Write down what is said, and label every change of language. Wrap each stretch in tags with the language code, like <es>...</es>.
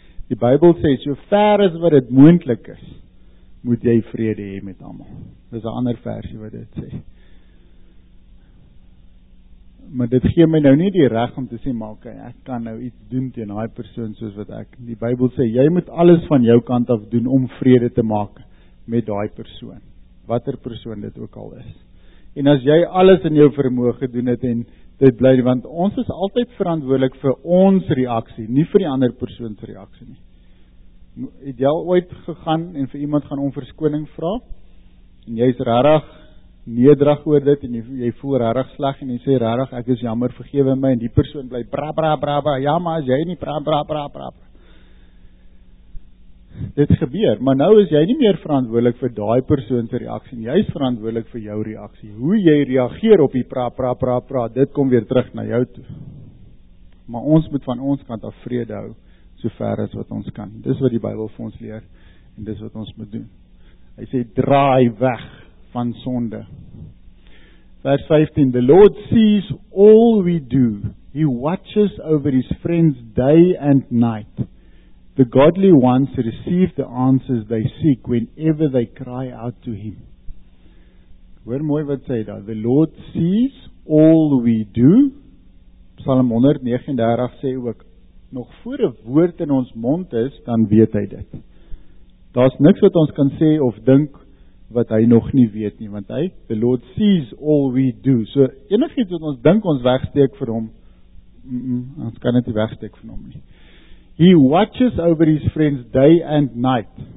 <af>Die Bybel sê, so ver as wat dit moontlik is, moet jy vrede hê met almal. Dit is 'n ander versie wat dit sê. Maar dit gee my nou nie die reg om te sê, maar okay, ek kan nou iets doen teen daai persoon soos wat ek. Die Bybel sê, jy moet alles van jou kant af doen om vrede te maak met daai persoon. Watter persoon dit ook al is. En as jy alles in jou vermoë doen het en dit bly, want ons is altyd verantwoordelik vir ons reaksie, nie vir die ander persoon se reaksie nie. Het jy al ooit gegaan en vir iemand gaan om verskoning vra? En jy is regtig nederig oor dit en jy voel regtig sleg en jy sê regtig, ek is jammer, vergewe my, en die persoon bly bra bra bra bra, ja maar as jy nie bra bra bra bra. dit gebeur. Maar nou is jy nie meer verantwoordelik vir daai persoon se reaksie nie. Jy is verantwoordelik vir jou reaksie. Hoe jy reageer op die pra, dit kom weer terug na jou toe. Maar ons moet van ons kant af vrede hou, so ver as wat ons kan. Dis wat die Bybel vir ons leer, en dis wat ons moet doen. Hy sê, draai weg van sonde. Vers 15,</af> <en>the Lord sees all we do. He watches over His friends day and night. The godly ones receive the answers they seek whenever they cry out to Him.</en> <af>Hoor mooi wat sê daar.</af> <en>The Lord sees all we do.</en> <af>Psalm 139 sê ook, nog voor 'n woord in ons mond is, dan weet hy dit. Daar is niks wat ons kan sê of dink wat hy nog nie weet nie, want hy,</af> <en>the Lord sees all we do.</en> <af>So, enigiets wat ons dink ons wegsteek vir hom, ons kan dit nie wegsteek van hom nie.</af> <en>He watches over his friends day and night.</en>